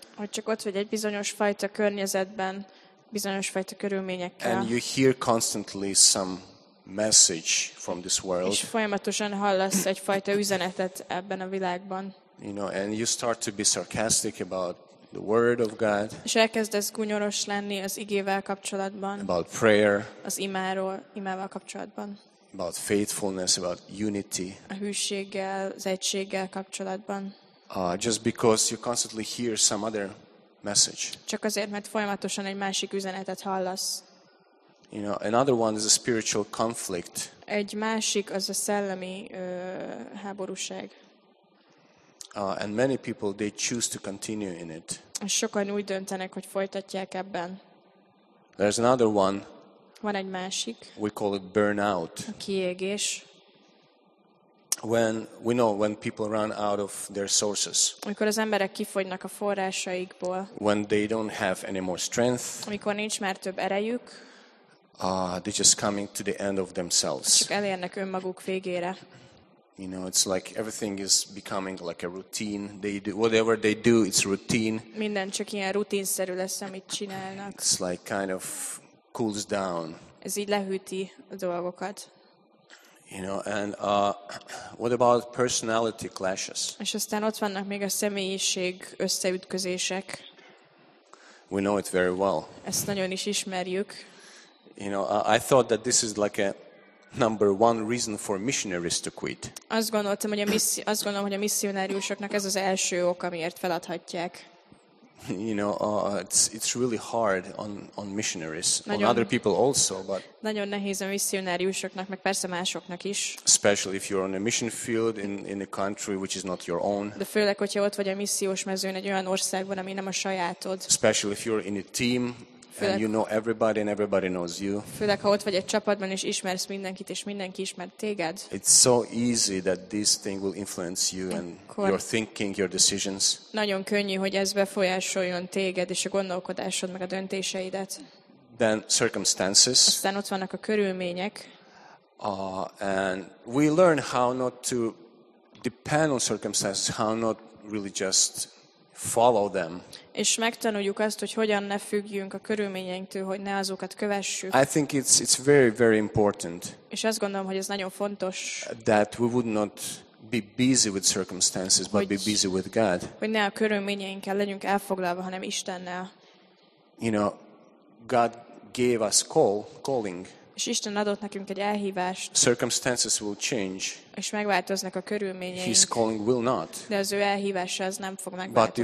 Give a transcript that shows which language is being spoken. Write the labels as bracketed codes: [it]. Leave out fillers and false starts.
[hu] Hogy csak ott vagy egy bizonyos fajta környezetben, bizonyos fajta körülményekkel. [en] And you hear constantly some message from this world. [hu] És folyamatosan hallasz egy fajta üzenetet ebben a világban. [en] You know, and you start to be sarcastic about the word of God. [hu] És elkezdesz gúnyoros lenni az igével kapcsolatban. [en] About prayer. [hu] Az imáról, imával kapcsolatban. [en] About faithfulness, about unity. [hu] A hűséggel, az egységgel kapcsolatban. [en] Just because you constantly hear some other message. [hu] Csak azért, mert folyamatosan egy másik üzenetet hallasz. [en] You know, another one is a spiritual conflict. [hu] Egy másik az a szellemi háborúság. [en] And many people they choose to continue in it. [hu] Sokan úgy döntenek, hogy folytatják ebben. [en] There's another one. [hu] Van egy másik. [en] We call it burnout. [hu] A kiégés. [en] When we know when people run out of their sources. [hu] Amikor az emberek kifogynak a forrásaikból. [en] When they don't have any more strength. [hu] Amikor nincs már több erejük. [en] They're just coming to the end of themselves. [hu] Csak elérnek önmaguk végére. [en] You know, it's like everything is becoming like a routine. They do whatever they do, it's routine. [hu] Minden csak ilyen rutinszerű lesz, amit csinálnak. [en] It's like kind of cools down. [hu] Ez így lehűti a dolgokat. [en] You know, and what about personality clashes? [hu] És aztán ott vannak még a személyiség összeütközések. [en] We know it very well. [hu] Ezt nagyon is ismerjük. [en] You know, I thought that this is like a number one reason for missionaries to quit. [hu] Azt gondolom, hogy a misszionáriusoknak ez az első ok, amiért feladhatják. [en] You know, it's really hard on missionaries, [hu] nagyon, [en] on other people also, but [hu] nagyon nehéz a misszionáriusoknak, meg persze másoknak is. [en] Especially if you're on a mission field in a country which is not your own. [hu] De főleg, hogyha ott vagy a missziós mezőn egy olyan országban, ami nem a sajátod. [en] Especially if you're in a team. And you know everybody and everybody knows you. [hu] Főleg, ha ott vagy egy csapatban és ismersz mindenkit és mindenki ismer téged. [en] It's so easy that this thing will influence you and your thinking, your decisions. [hu] Nagyon könnyű, hogy ez befolyásoljon téged és a gondolkodásod meg a döntéseidet. [en] Then circumstances. [hu] Aztán ott vannak a körülmények. [en] And we learn how not to depend on circumstances, how not really just follow them. [hu] És megtanuljuk azt, hogy hogyan ne függjünk a körülményeinktől, hogy ne azokat kövessük. [en] I think it's very very important. [hu] És azt gondolom, hogy ez nagyon fontos. [en] That we would not be busy with circumstances, but be busy with God. [hu] Hogy ne a körülményeinkkel legyünk elfoglalva, hanem Istennel. [en] You know, God gave us calling. [hu] És Isten adott nekünk egy elhívást. [en] Circumstances will change. [hu] És megváltoznak a körülményeink. [en] His calling will not. [hu] De az ő elhívása az nem fog megváltozni.